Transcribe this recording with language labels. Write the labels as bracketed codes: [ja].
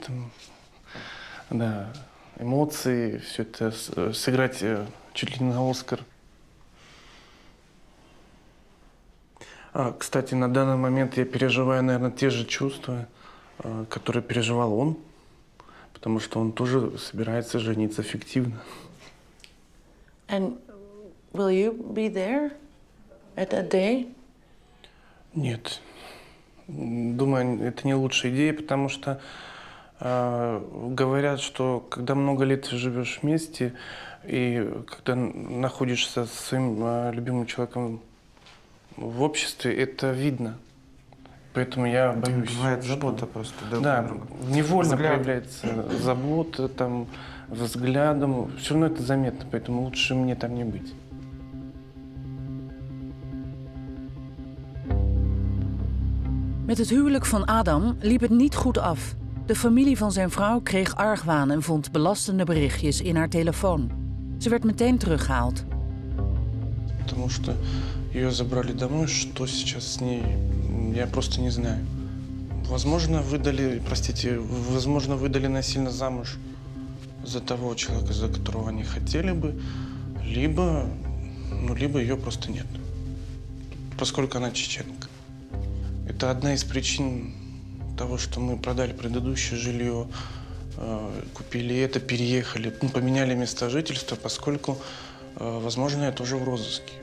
[ru] Там, да, эмоции, все это сыграть чуть ли не на Оскар. А, кстати, на данный момент я переживаю, наверное, те же чувства, которые переживал он, потому что он тоже собирается жениться фиктивно. [en] And will you be there at that day? [ru] Нет. Думаю, это не лучшая идея, потому что говорят, что когда много лет живешь вместе и когда находишься со своим любимым человеком в обществе, это видно. Поэтому я боюсь. Бывает забота просто. Да, да, невольно взгляд. Появляется забота, там, взглядом. Все равно это заметно, поэтому лучше мне там не быть. [nl] Met het huwelijk van Adam liep het niet goed af. De familie van zijn vrouw kreeg argwaan en vond belastende berichtjes in haar telefoon. Ze werd meteen teruggehaald. Omdat ze haar [ru] забрали домой, [nl] wat is er nu met haar? Ik weet het niet. [ru] Возможно, выдали, простите, возможно, выдали насильно замуж за того человека, за которого они хотели бы, либо, ну, либо ее просто нет. Поскольку она чеченка. Это одна из причин того, что мы продали предыдущее жилье, купили это, переехали, поменяли место жительства, поскольку, возможно, я тоже в розыске.